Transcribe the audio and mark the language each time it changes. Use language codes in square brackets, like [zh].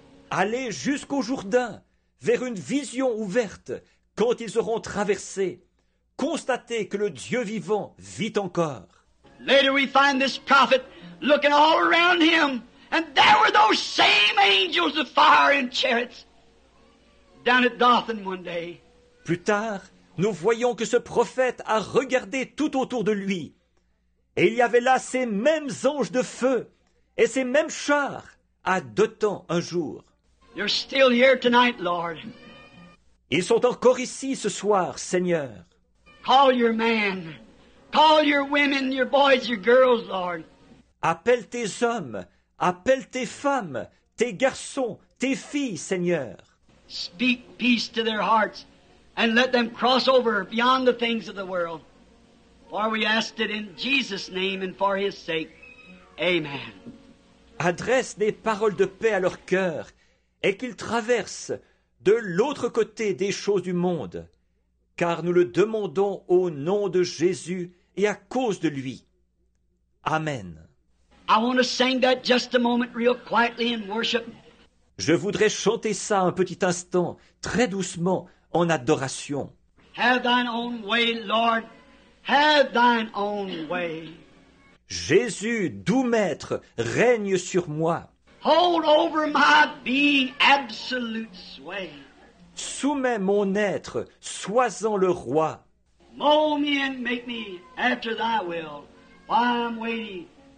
[fr] Allez jusqu'au Jourdain, vers une vision ouverte, quand ils auront traversé. Constatez que le Dieu vivant vit encore. [en] Later we find this prophet looking all around him, and there were those same angels of fire and chariots. Down at Dothan one day. [fr] Plus tard, nous voyons que ce prophète a regardé tout autour de lui. Et il y avait là ces mêmes anges de feu et ces mêmes chars à Dothan un jour. [en] You're still here tonight, Lord. [fr] Ils sont encore ici ce soir, Seigneur. [en] Call your man. Call your women, your boys, your girls, Lord. [fr] Appelle tes hommes, appelle tes femmes, tes garçons, tes filles, Seigneur. [en] Speak peace to their hearts and let them cross over beyond the things of the world. For we ask it in Jesus' name and for his sake. Amen. [fr] Adresse des paroles de paix à leur cœur et qu'ils traversent de l'autre côté des choses du monde. Car nous le demandons au nom de Jésus et à cause de lui. Amen. [en] I want to sing that just a moment real quietly in worship. [fr] Je voudrais chanter ça un petit instant, très doucement, en adoration. [en] Have thine own way, Lord. Have thine own way. [fr] Jésus, doux maître, règne sur moi. [en] Hold over my being absolute sway. [fr] Soumets mon être, sois-en le roi. [en] Mold me and make me after thy will, while I'm waiting.